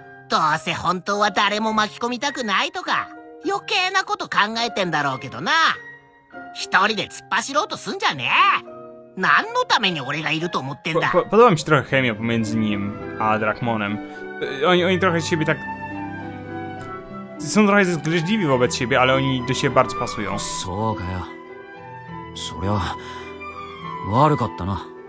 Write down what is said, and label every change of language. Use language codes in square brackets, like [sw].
[ja] どうせ本当は誰も巻き込みたくないとか余計なこと考えてんだろうけどな一人で突っ走ろうとすんじゃねえ何のために俺がいると思ってんだ [pl] podoba mi się trochę chemia pomiędzy nim a Drachmonem oni trochę z siebie tak są trochę zgryźliwi wobec siebie ale oni do siebie bardzo pasują [ja] そうかよそりゃ悪かったな